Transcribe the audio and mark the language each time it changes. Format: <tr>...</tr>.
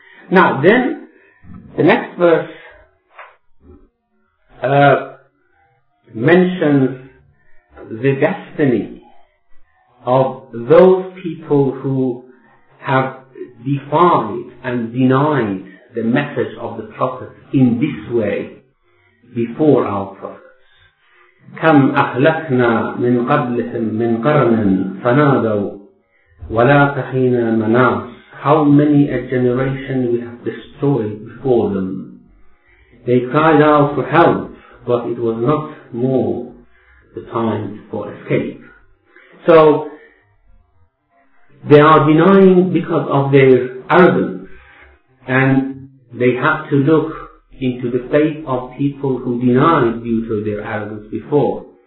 <en>Now then, the next verse mentions the destiny of those people who have defied and denied the message of the Prophet in this way before our prophets.</en> <ar>كم أهلكنا من قبلهم من قرن فنادوا ولا تحين مناص.</ar> <en>How many a generation we have destroyed before them. They cried out for help, but it was not more the time for escape. So, they are denying because of their arrogance, and they have to look into the faith of people who denied due to their arrogance before.</en>